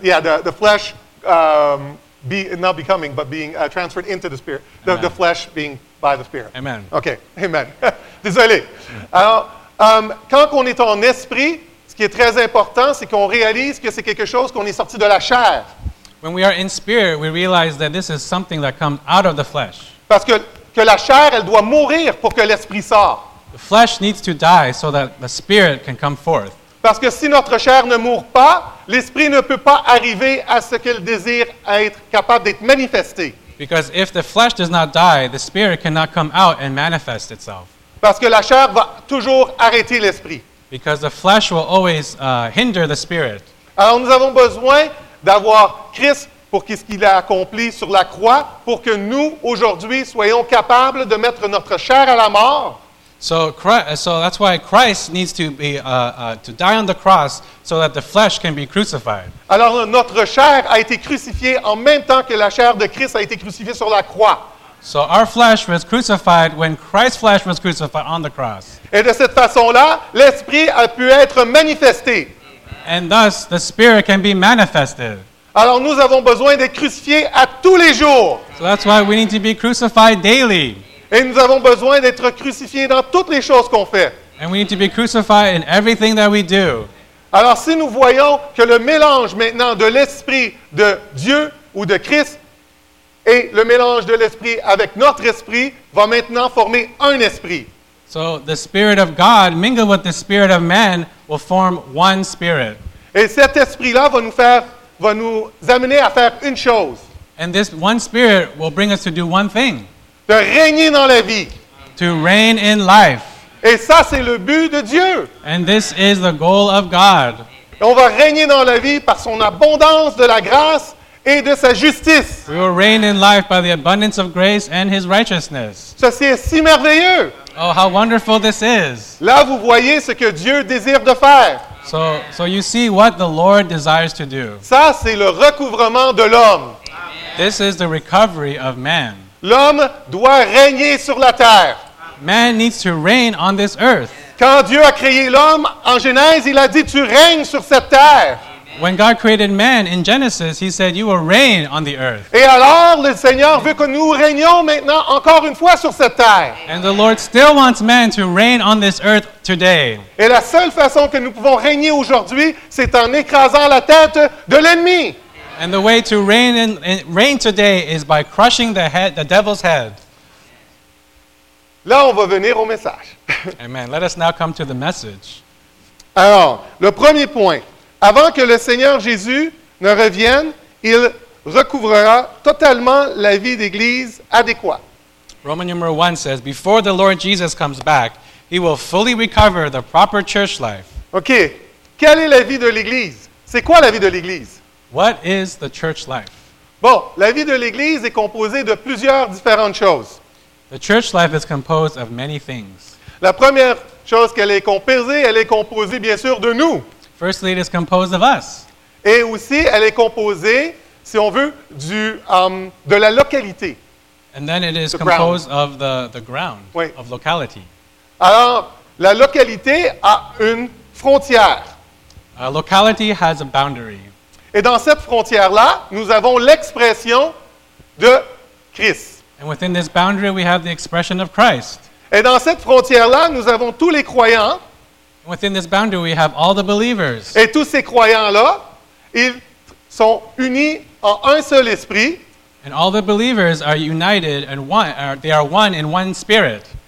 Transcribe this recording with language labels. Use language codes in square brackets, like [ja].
[en] Yeah, the flesh not becoming, but being transferred into the spirit. The flesh being by the spirit. Amen. Okay. Amen. Désolé. [fr] Alors, quand on est en esprit, ce qui est très important, c'est qu'on réalise que c'est quelque chose qu'on est sorti de la chair. [en] When we are in spirit, we realize that this is something that comes out of the flesh. [fr] Parce que la chair, elle doit mourir pour que l'esprit sorte. [en] The flesh needs to die so that the spirit can come forth. [fr] Parce que si notre chair ne meurt pas, l'esprit ne peut pas arriver à ce qu'il désire être capable d'être manifesté. [en] Because if the flesh does not die, the spirit cannot come out and manifest itself. [fr] Parce que la chair va toujours arrêter l'esprit. [en] Because the flesh will always hinder the spirit. [fr] Alors nous avons besoin d'avoir Christ pour ce qu'il a accompli sur la croix, pour que nous, aujourd'hui, soyons capables de mettre notre chair à la mort. [en] So that's why Christ needs to be to die on the cross so that the flesh can be crucified. [fr] Alors notre chair a été crucifiée en même temps que la chair de Christ a été crucifiée sur la croix. [en] So our flesh was crucified when Christ's flesh was crucified on the cross. [fr] Et de cette façon-là, l'esprit a pu être manifesté. [en] And thus the spirit can be manifested. [fr] Alors nous avons besoin d'être crucifiés à tous les jours. [en] So that's why we need to be crucified daily. [fr] Et nous avons besoin d'être crucifiés dans toutes les choses qu'on fait. [en] And we need to be crucified in everything that we do. [fr] Alors si nous voyons que le mélange maintenant de l'esprit de Dieu ou de Christ et le mélange de l'esprit avec notre esprit va maintenant former un esprit. [en] So the spirit of God mingled with the spirit of man will form one spirit. [fr] Et cet esprit-là va nous amener à faire une chose. [en] And this one spirit will bring us to do one thing. [fr] De régner dans la vie. [en] To reign in life. [fr] Et ça, c'est le but de Dieu. [en] And this is the goal of God. [fr] Et on va régner dans la vie par son abondance de la grâce et de sa justice. [en] We will reign in life by the abundance of grace and his righteousness. [fr] Ceci est si merveilleux. [en] Oh, how wonderful this is. [fr] Là, vous voyez ce que Dieu désire de faire. [en] So you see what the Lord desires to do. [fr] Ça, c'est le recouvrement de l'homme. [en] This is the recovery of man. [fr] L'homme doit régner sur la terre. [en] Man needs to reign on this earth. [fr] Quand Dieu a créé l'homme, en Genèse, il a dit, tu règnes sur cette terre. [en] When God created man in Genesis, he said, you will reign on the earth. [fr] Et alors, le Seigneur veut que nous régnions maintenant encore une fois sur cette terre. [en] And the Lord still wants man to reign on this earth today. [fr] Et la seule façon que nous pouvons régner aujourd'hui, c'est en écrasant la tête de l'ennemi. [en] And the way to reign today is by crushing the devil's head. [fr] Là, on va venir au message. [en] Amen. Let us now come to the message. [fr] Alors, le premier point. Avant que le Seigneur Jésus ne revienne, il recouvrera totalement la vie d'Église adéquate. [en] Roman number 1 says, before the Lord Jesus comes back, he will fully recover the proper church life. [fr] OK. Quelle est la vie de l'Église? C'est quoi la vie de l'Église? [en] What is the church life? [fr] Bon, la vie de l'Église est composée de plusieurs différentes choses. [en] The church life is composed of many things. [fr] La première chose qu'elle est composée, bien sûr, de nous. [en] Firstly, it is composed of us. [fr] Et aussi, elle est composée, si on veut, de la localité. [en] And then it is composed of the ground, [fr] oui. [en] Of locality. [fr] Alors, la localité a une frontière. [en] A locality has a boundary. [fr] Et dans cette frontière-là, nous avons l'expression de Christ. [en] And within this boundary, we have the expression of Christ. [fr] Et dans cette frontière-là, nous avons tous les croyants. [en] Within this boundary, we have all the believers. [fr] Et tous ces croyants-là, ils sont unis en un seul esprit. [en] And all the believers are united and one, they are one in one spirit.